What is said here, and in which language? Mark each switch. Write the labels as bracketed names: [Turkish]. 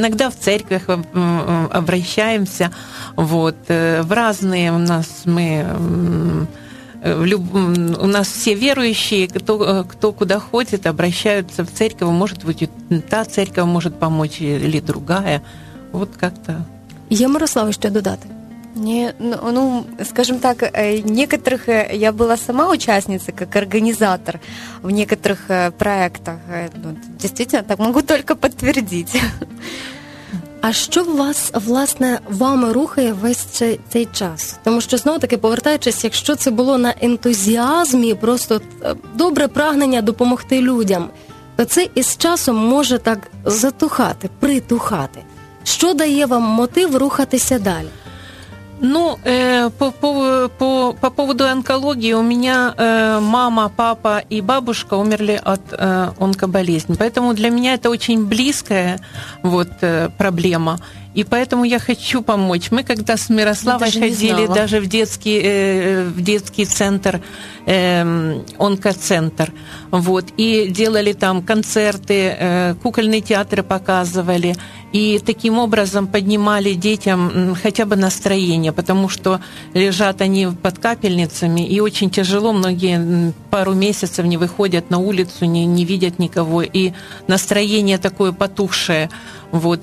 [Russian] Иногда в церквях обращаемся, вот, в разные у нас мы, у нас все верующие, кто куда ходит, обращаются в церковь, может быть, та церковь может помочь или другая, вот как-то. [Ukrainian] Я, Мирослава, что додати? [Russian] Не, ну, скажем так, некоторых я была сама участницей, как организатор в некоторых проектах. Ну, действительно, так могу только подтвердить. [Ukrainian] А що вас, власне, вами рухає весь цей час? Тому що, знову-таки, повертаючись, якщо це було на ентузіазмі, просто добре прагнення допомогти людям, то це із часом може так затухати, притухати. Що дає вам мотив рухатися далі? [Russian] Ну, по поводу онкологии, у меня мама, папа и бабушка умерли от онкоболезни. Поэтому для меня это очень близкая вот, проблема. И поэтому я хочу помочь. Мы когда с Мирославой ходили даже в детский центр, онкоцентр, вот, и делали там концерты, кукольные театры показывали, и таким образом поднимали детям хотя бы настроение, потому что лежат они под капельницами, и очень тяжело, многие пару месяцев не выходят на улицу, не видят никого, и настроение такое потухшее. Вот.